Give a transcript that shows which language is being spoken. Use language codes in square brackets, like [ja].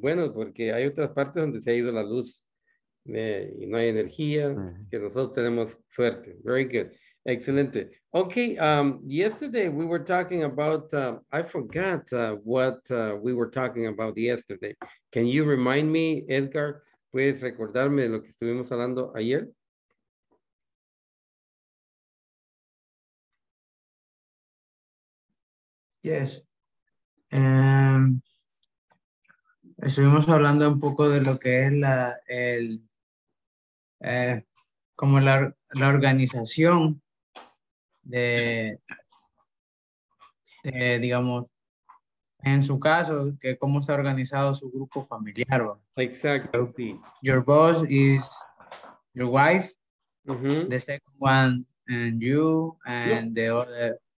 [es] Bueno, porque hay otras partes donde se ha ido la luz y no hay energía, uh-huh. Que nosotros tenemos suerte. [en] Very good. [es] Excelente. [en] Ok, yesterday we were talking about, I forgot what we were talking about yesterday. Can you remind me, Edgar? [es] ¿Puedes recordarme de lo que estuvimos hablando ayer? [en] Yes. [es] Estuvimos hablando un poco de lo que es la organización de digamos, en su caso, que cómo está organizado su grupo familiar. [en] Exactly. Your boss is your wife, mm-hmm. The second one, and you, and no. The other.